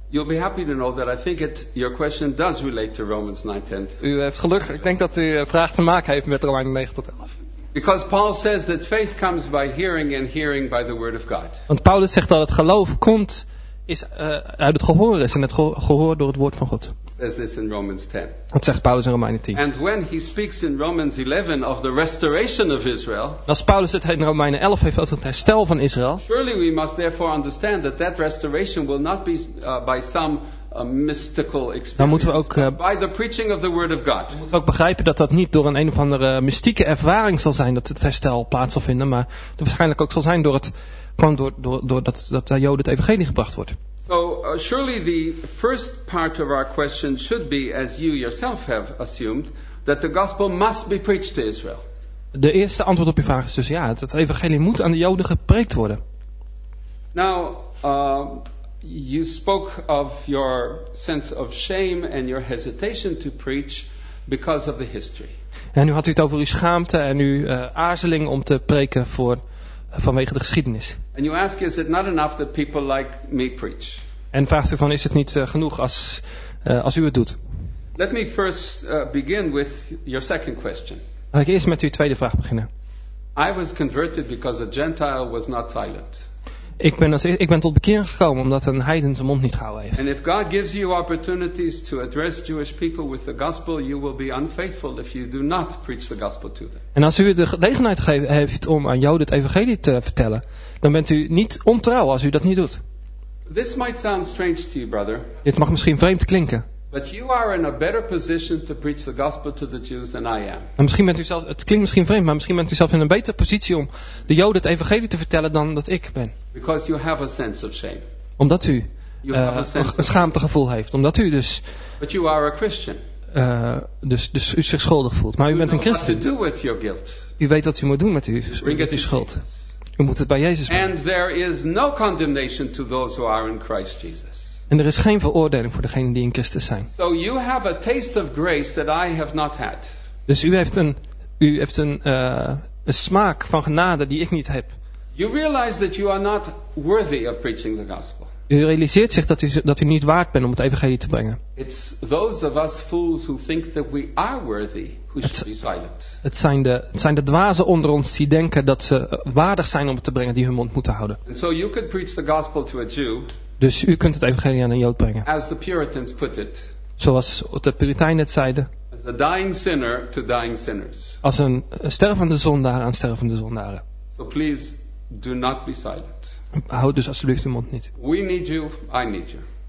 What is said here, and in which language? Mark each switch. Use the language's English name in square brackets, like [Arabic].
[English] You'll be happy to know that I think it your question does relate to Romans 9 10. [Dutch] U heeft geluk. Ik denk dat u vraag te maken heeft met Romeinen 9 tot 11. [English] Because Paul says that faith comes by hearing and hearing by the word of God. [Dutch] Want Paulus zegt dat het geloof komt is uit het gehoor is en het gehoor door het woord van God. [English] says this in Romans 10. [Dutch] Wat zegt Paulus in Romeinen 10? [English] And when he speaks in Romans 11 of the restoration of Israel. [Dutch] Als Paulus het in Romeinen 11 heeft over het herstel van Israël. [English] Surely we must therefore understand that that restoration will not be by some mystical experience. [Dutch] Dan moeten we ook [English] by the preaching of the word of God. [Dutch] We moeten ook begrijpen dat dat niet door een of andere mystieke ervaring zal zijn dat het herstel plaats zal vinden, maar dat waarschijnlijk ook zal zijn door het gewoon door dat de Joden het evangelie gebracht wordt. [English] So surely the first part of our question should be, as you yourself have assumed, that the gospel must be preached to Israel. [Dutch] De eerste antwoord op je vraag is dus ja, dat het evangelie moet aan de Joden gepreekt worden. [English] Now, you spoke of your sense of shame and your hesitation to preach because of the history. [Dutch] En nu had u het over uw schaamte en uw aarzeling om te preken voor vanwege de geschiedenis. [English] And you ask, is it not enough that people like me preach? [Dutch] En vraagt u van, is het niet genoeg als u het doet? [English] Let me first begin with your second question. [Dutch] Laat ik eerst met uw tweede vraag beginnen. [English] I was converted because a Gentile was not silent. [Dutch] Ik ben tot bekering gekomen omdat een heiden zijn mond niet gehouden heeft. [English] And if God gives you opportunities to address Jewish people with the gospel, you will be unfaithful if you do not preach the gospel to them. [Dutch] En als u de gelegenheid heeft om aan Joden het evangelie te vertellen, dan bent u niet ontrouw als u dat niet doet. [English] This might sound strange to you, brother. [Dutch] Dit mag misschien vreemd klinken. [English] But you are in a better position to preach the gospel to the Jews than I am. [Dutch] En misschien bent u zelf, het klinkt misschien vreemd, maar misschien bent u zelf in een betere positie om de Joden het evangelie te vertellen dan dat ik ben. [English] Because you have a sense of shame. [Dutch] Omdat u een schaamtegevoel heeft, omdat u dus. [English] But you are a Christian. [Dutch] Dus u zich schuldig voelt, maar u bent een Christen. [English] You know what to do with your guilt. [Dutch] U weet wat u moet doen met uw schuld. U moet het bij Jezus brengen. [English] And there is no condemnation to those who are in Christ Jesus. [Dutch] En er is geen veroordeling voor degenen die in Christus zijn. [English] So you have a taste of grace that I have not had. [Dutch] Dus u heeft een smaak van genade die ik niet heb. [English] You realize that you are not worthy of preaching the gospel. [Dutch] U realiseert zich dat u niet waard bent om het evangelie te brengen. [English] It's those of us fools who think that we are worthy who should be silent. [Dutch] Het zijn de dwazen onder ons die denken dat ze waardig zijn om het te brengen, die hun mond moeten houden. [English] And so you could preach the gospel to a Jew. [Dutch] Dus u kunt het evangelie aan een Jood brengen. [English] As the Puritans put it, [Dutch] zoals de Puritijnen het zeiden. [English] As a dying sinner to dying sinners. [Dutch] Als een stervende zondaar aan stervende zondaren. [English] So please do not be silent. [Dutch] Houd dus alsjeblieft uw mond niet. [English] We need you, I need you.